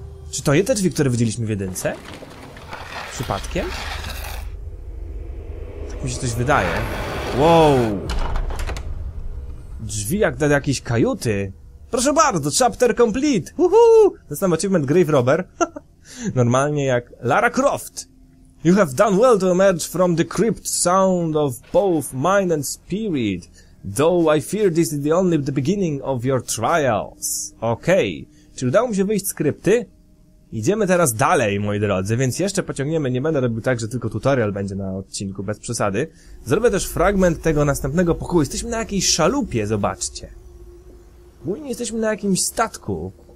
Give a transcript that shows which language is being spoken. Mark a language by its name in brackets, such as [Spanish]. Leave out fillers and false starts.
[Polish] Czy to nie te drzwi, które widzieliśmy w jedynce? Przypadkiem? Tak mi się coś wydaje. Wow! Drzwi jak do jakiejś kajuty! Proszę bardzo, [English] chapter complete! [Polish] Uhu! Dostałem achievement Grave Robber. Normalnie jak Lara Croft. [English] You have done well to emerge from the crypt sound of both mind and spirit. Though I fear this is the only the beginning of your trials. [Polish] Okej. Czy udało mi się wyjść z krypty? Idziemy teraz dalej, moi drodzy, więc jeszcze pociągniemy. Nie będę robił tak, że tylko tutorial będzie na odcinku, bez przesady. Zrobię też fragment tego następnego pokoju. Jesteśmy na jakiejś szalupie, zobaczcie. Ogólnie jesteśmy na jakimś statku.